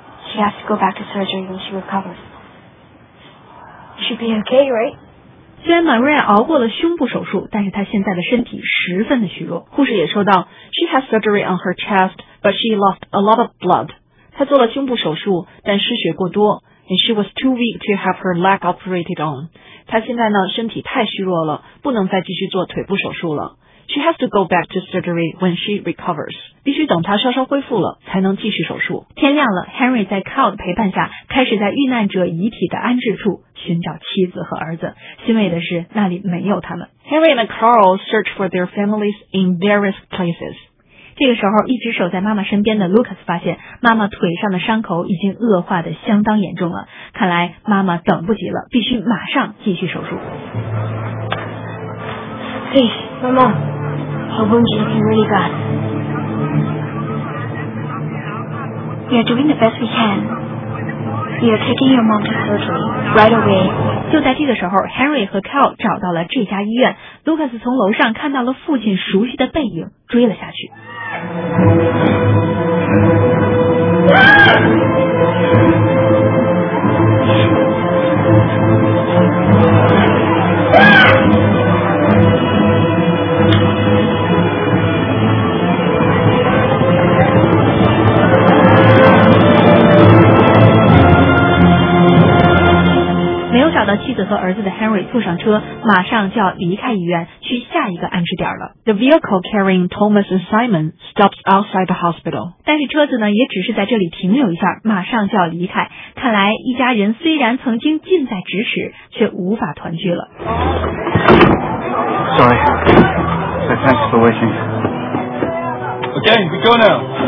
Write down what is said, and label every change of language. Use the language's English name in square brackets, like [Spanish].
[English] She has to go back to surgery when she recovers. She'll be okay, right? [Chinese] 虽然 Maria 熬过了胸部手术，但是她现在的身体十分的虚弱。护士也说道 [English] ，She has surgery on her chest, but she lost a lot of blood. [Chinese] 她做了胸部手术，但失血过多。 [English] And she was too weak to have her leg operated on. [Chinese] 她现在呢，身体太虚弱了，不能再继续做腿部手术了。 [English] She has to go back to surgery when she recovers. [Chinese] 必须等她稍稍恢复了，才能继续手术。天亮了 ，Henry 在 Kyle 的陪伴下，开始在遇难者遗体的安置处。寻找妻子和儿子，欣慰的是那里没有他们。 [English] Henry and Carl search for their families in various places. [Chinese] 这个时候，一直守在妈妈身边的 Lucas 发现妈妈腿上的伤口已经恶化得相当严重了，看来妈妈等不及了，必须马上继续手术。 [English] Hey, Mama, her wound is looking really bad. We are doing the best we can. We are taking your mom to surgery right away. [Chinese] 就在这个时候 ，Henry 和 Cal 找到了这家医院。Lucas 从楼上看到了父亲熟悉的背影，追了下去。没有找到妻子和儿子的 Henry 坐上车，马上就要离开医院去下一个安置点了。 [English] The vehicle carrying Thomas and Simon stops outside the hospital. [Chinese] 但是车子呢，也只是在这里停留一下，马上就要离开。看来一家人虽然曾经近在咫尺，却无法团聚了。 [English] Sorry, but thanks for waiting. Okay, we go now.